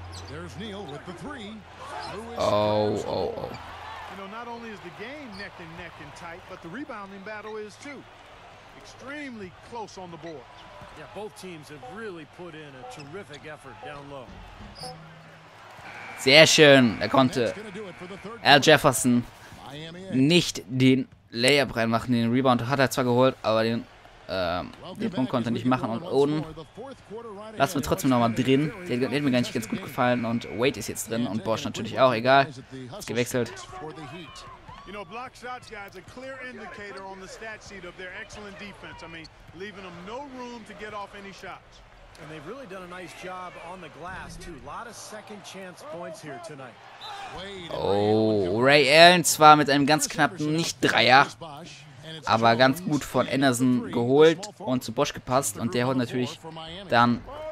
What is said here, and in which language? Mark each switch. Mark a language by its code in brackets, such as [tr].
[en] There's Neal with the three. Oh. You know, not only is the game neck and neck and tight, but the rebounding battle is too. Extremely close on the board. Yeah, both teams have really put in a terrific effort down low. [de] Sehr schön. Er konnte Al Jefferson nicht den Layup reinmachen. Den Rebound hat er zwar geholt, aber den den Punkt konnte er nicht machen. Und Oden lassen wir trotzdem nochmal drin. Der hat mir gar nicht ganz gut gefallen. Und Wade ist jetzt drin. Und Bosch natürlich auch. Egal. Ist gewechselt. [en] You know, block shots, guys, a clear indicator on the stat sheet of their excellent defense. I mean, leaving them no room to get off any shots. And they've really done a nice job on the glass, too. A lot of second chance points here tonight. [de] Oh, Ray Allen zwar mit einem ganz knappen Nicht-Dreier, aber ganz gut von Anderson geholt und zu Bosch gepasst. Und der hat natürlich dann.